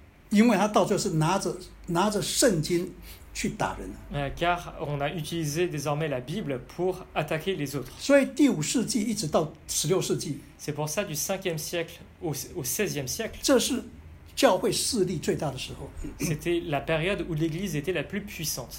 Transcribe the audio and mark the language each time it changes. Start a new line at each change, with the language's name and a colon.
Chinese: 因为他到最后是拿着圣经。去打人了。
French: Car on a utilisé désormais la Bible pour attaquer les autres.
Chinese: 所以第五世纪一直到十六世纪。
French: C'est pour ça du 5e siècle au 16e siècle.
Chinese: 这是教会势力最大的时候。
French: C'était la période où l'Église était la plus puissante.